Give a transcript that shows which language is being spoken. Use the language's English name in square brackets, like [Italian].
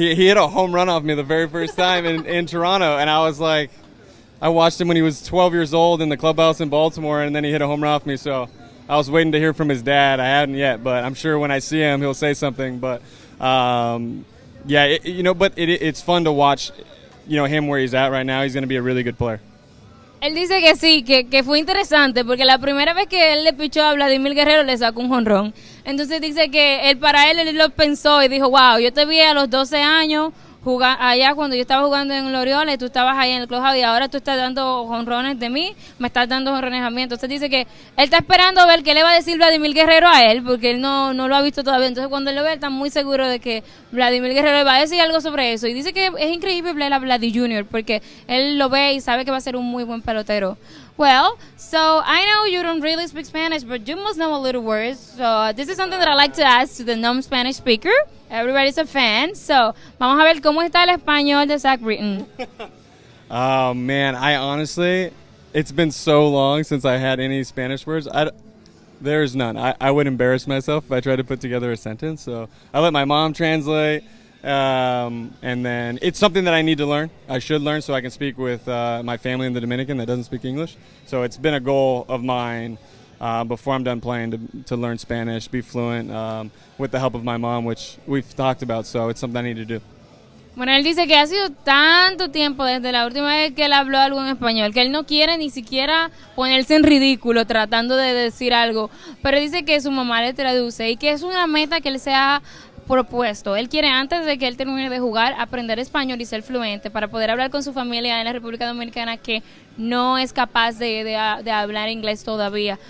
[English] He hit a home run off me the very first time in Toronto, and I was like, I watched him when he was 12 years old in the clubhouse in Baltimore, and then he hit a home run off me, so I was waiting to hear from his dad. I hadn't yet, but I'm sure when I see him, he'll say something. But, yeah, it, you know, but it's fun to watch, you know, him where he's at right now. He's going to be a really good player. [Spanish] Él dice que sí, que fue interesante, porque la primera vez que él le pichó a Vladimir Guerrero, le sacó un jonrón. Entonces dice que él, para él, él lo pensó y dijo, wow, yo te vi a los 12 años allá cuando yo estaba jugando en Loriola y tú estabas ahí en el clubhouse y ahora tú estás dando jonrones de mí, me estás dando jonrones a mí. Entonces dice que él está esperando a ver qué le va a decir Vladimir Guerrero a él, porque él no lo ha visto todavía. Entonces cuando él lo ve, él está muy seguro de que Vladimir Guerrero le va a decir algo sobre eso. Y dice que es increíble ver a Vladdy Jr. porque él lo ve y sabe que va a ser un muy buen pelotero. [English] Well, so I know you don't really speak Spanish, but you must know a little words. So this is something that I like to ask to the non-Spanish speaker. Everybody's a fan. [Spanish] So vamos a ver cómo está el español de Zach Britton. [English] Oh, man. I honestly, it's been so long since I had any Spanish words. There is none. I would embarrass myself if I tried to put together a sentence. So I let my mom translate. And then it's something that I need to learn. I should learn so I can speak with my family in the Dominican that doesn't speak English. So it's been a goal of mine before I'm done playing to learn Spanish, be fluent with the help of my mom, which we've talked about. So it's something I need to do. [Spanish] Bueno, él dice que ha sido tanto tiempo desde la última vez que él habló algo en español, que él no quiere ni siquiera ponerse en ridículo tratando de decir algo. Pero dice que su mamá le traduce y que es una meta que él sea propuesto. Él quiere, antes de que él termine de jugar, aprender español y ser fluente para poder hablar con su familia en la República Dominicana que no es capaz de hablar inglés todavía.